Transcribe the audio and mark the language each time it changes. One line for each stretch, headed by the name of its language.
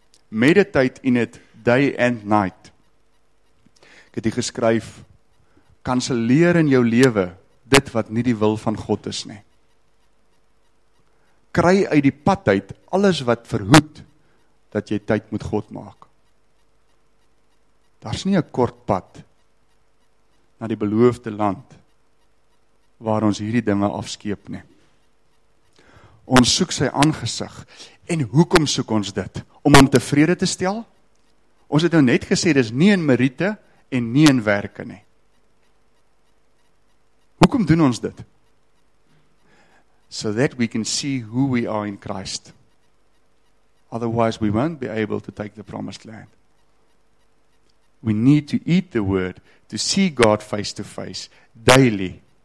English: Meditate in it day and night.
Afrikaans: Ek het hier geskryf, kanselleer in jou lewe dit wat nie die wil van God is nie. Kry uit die pad uit alles wat verhoed dat jy tyd met God maak. Daar's nie 'n kort pad na die beloofde land waar ons hierdie dinge afskeep nie. Ons soek sy aangesig. En hoekom soek ons dit? Om hom tevrede te stel? Ons het nou net gesê, dis nie in meriete en nie in werke nie. Hoekom doen ons dit?
English: So that we can see who we are in Christ. Otherwise we won't be able to take the promised land. We need to eat the word to see God face to face daily.